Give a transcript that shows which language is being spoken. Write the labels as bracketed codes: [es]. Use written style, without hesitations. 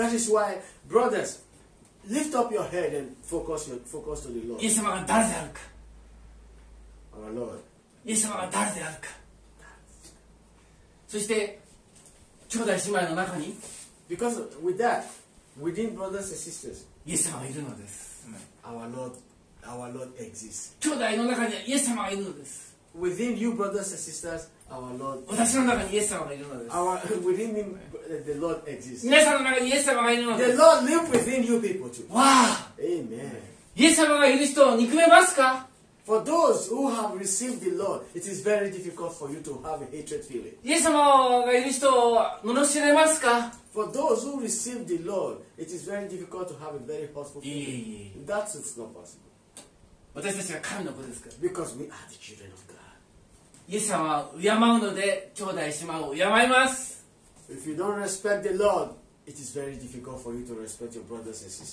[en] That is why, brothers, lift up your head and focus to the Lord. [ja] イエス様が誰であるか。 [en] Our Lord. [ja] イエス様が誰であるか。そして兄弟姉妹の中に。 [en] Because with that. Within brothers and sisters, [ja] イエス様がいるのです。 [en] Our Lord exists. [ja] 兄弟の中にイエス様がいるのです。 [en] Within you, brothers and sisters, our Lord. [ja] 私の中にイエス様がいるのです。 [en] Within me, the Lord exists. [ja] 皆さんの中にイエス様がいるのです。 [en] The Lord lives within you people too. わあ。 Amen. [ja] イエス様がいる人を憎めますか？ [en] For those who have received the Lord, it is very difficult for you to have a hatred feeling. [ja] イエス様がいる人を罵れますか？ [en] For those who receive the Lord, it is very difficult to have a very hostile feeling. That's not possible. [ja] 私たちは神の子ですから。 [en] Because we are the children of God. [ja] イエス様は敬うので、兄弟姉妹を敬います。 [en] If you don't respect the Lord, it is very difficult for you to respect your brothers and sisters.